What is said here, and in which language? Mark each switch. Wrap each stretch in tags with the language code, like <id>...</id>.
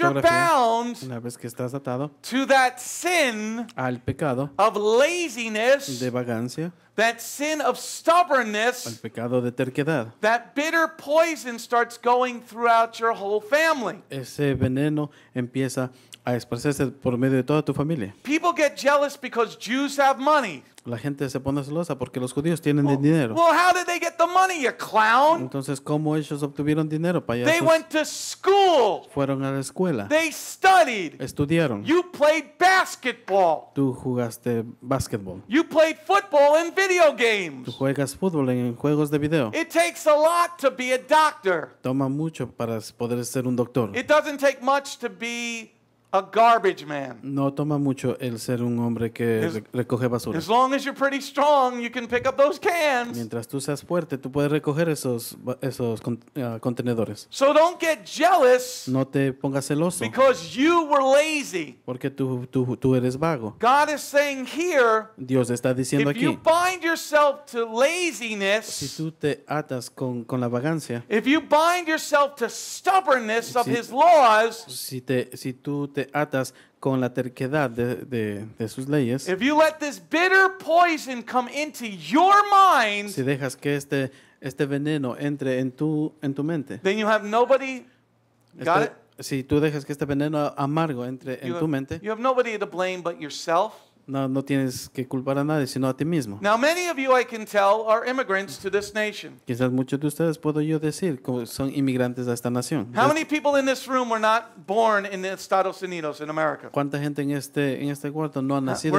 <es>la fotografía.</es> <en>You're bound</en> <es>una vez que estás atado,</es> <en>to that sin</en> <es>al pecado</es> <en>of laziness,</en> <es>de vagancia,</es> <en>that sin of stubbornness,</en> <es>al pecado de terquedad,</es> <en>that bitter poison starts going throughout your whole family.</en> <es>Ese veneno empieza a esparcerse por medio de toda tu familia.</es> <en>People get jealous because Jews have money.</en> <es>La gente se pone celosa porque los judíos tienen el dinero.</es> <en>Well, how did they get the money, you clown?</en> <es>Entonces, ¿cómo ellos obtuvieron dinero, payasos?</es> <en>They went to school.</en> <es>Fueron a la escuela.</es> <en>They studied.</en> <es>Estudiaron.</es> <en>You played basketball.</en> <es>Tú jugaste basketball.</es> <en>You played football in video games.</en> <es>Tú juegas fútbol en juegos de video.</es> <en>It takes a lot to be a doctor.</en> <es>Toma mucho para poder ser un doctor.</es> <en>It doesn't take much to be a garbage man.</en> <es>No toma mucho el ser un hombre que recoge basura.</es> <en>As long as you're pretty strong, you can pick up those cans.</en> <es>Mientras tú seas fuerte, tú puedes recoger esos contenedores.</es> <en>So don't get jealous.</en> <es>No te pongas celoso.</es> <en>Because you were lazy.</en> <es>Porque tú eres vago.</es> <en>God is saying here.</en> <es>Dios está diciendo aquí.</es> <en>If you bind yourself to laziness.</en> <es>Si tú te atas con la vagancia.</es> <en>If you bind yourself to stubbornness of His laws.</en> <es>Si tú te atas con la terquedad de sus leyes.</es> <en>If you let this bitter poison come into your mind,</en> <es>si dejas que este veneno entre en tu mente,</es> <en>then you have nobody. Got it?</en> <es>Si tú dejas que este veneno amargo entre en tu mente,</es> <en>you have nobody to blame but yourself.</en> <es>No tienes que culpar a nadie sino a ti mismo.</es> <en>Now many of you I can tell are immigrants to this nation.</en> <es>Quizás muchos de ustedes puedo yo decir como son inmigrantes a esta nación.</es> <en>How many people in this room were not born in the Estados Unidos in America?</en> <es>¿Cuánta gente en este cuarto no ha nacido</es>